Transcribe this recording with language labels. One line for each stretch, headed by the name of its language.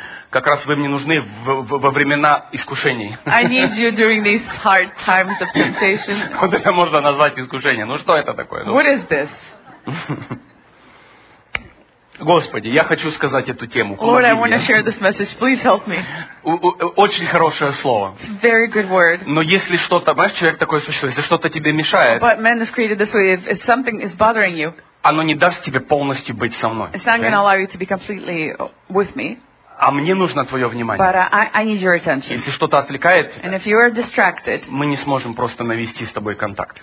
Russian: Как раз вы мне нужны во времена искушений.
English: I need you during these hard times of temptation.
Russian: Вот это можно назвать искушение. Ну что это такое?
English: What is this?
Russian: Господи, я хочу сказать эту тему.
English: Lord, I want to share this message. Please help me.
Russian: Очень хорошее слово.
English: It's a very good word.
Russian: Но если что-то, знаешь, человек такое существо, если что-то тебе мешает.
English: But man is created this way. If something is bothering you.
Russian: Оно не даст тебе полностью быть со мной.
English: It's not going to allow you to be completely with me.
Russian: А мне нужно твое внимание.
English: But I need your attention.
Russian: Если что-то отвлекает тебя,
English: and if you are distracted,
Russian: мы не сможем просто навести с тобой контакт.